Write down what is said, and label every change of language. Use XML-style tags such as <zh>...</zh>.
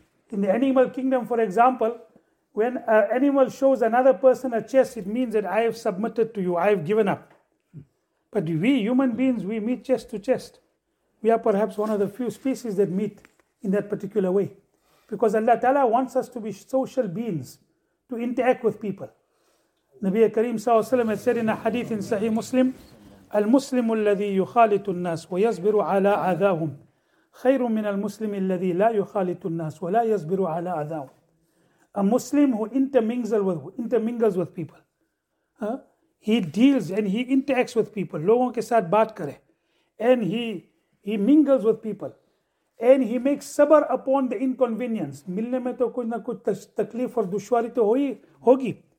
<en>In the animal kingdom, for example, when an animal shows another person a chest, it means that I have submitted to you, I have given up. But we human beings, we meet chest to chest. We are perhaps one of the few species that meet in that particular way. Because Allah Ta'ala wants us to be social beings, to interact with people. Nabi Kareem Sallallahu Alaihi Wasallam said in a hadith in Sahih Muslim,</en> <ar>المسلم الذي يخالط الناس ويصبر على أذاهم خير من المسلم الذي لا يخالط الناس ولا يصبر على أذاهم.</ar> <en>A Muslim who intermingles with people. He deals and he interacts with people.</en> <ur>Logon ke saath baat kare.</ur> <en>And he mingles with people. And he makes sabr upon the inconvenience.</en> <ur>Milne mein to kuch na kuch takleef aur dushwari to hogi.</ur>